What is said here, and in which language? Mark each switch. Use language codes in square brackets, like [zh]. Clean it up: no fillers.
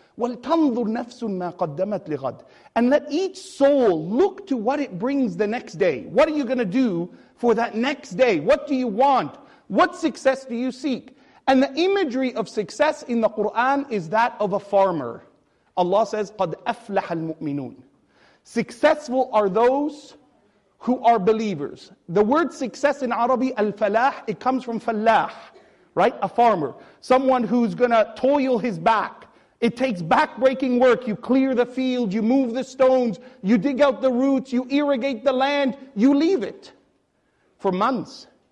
[ar] وَلْتَنْظُرْ نَفْسٌ مَا قَدَّمَتْ لِغَدْ. [en] And let each soul look to what it brings the next day. What are you going to do for that next day? What do you want? What success do you seek? And the imagery of success in the Qur'an is that of a farmer. Allah says, [ar] قَدْ أَفْلَحَ الْمُؤْمِنُونَ. [en] Successful are those who are believers. The word success in Arabic, al-falah, it comes from falah, right? A farmer, someone who's going to toil his back. It takes back-breaking work. You clear the field, you move the stones, you dig out the roots, you irrigate the land, you leave it for months.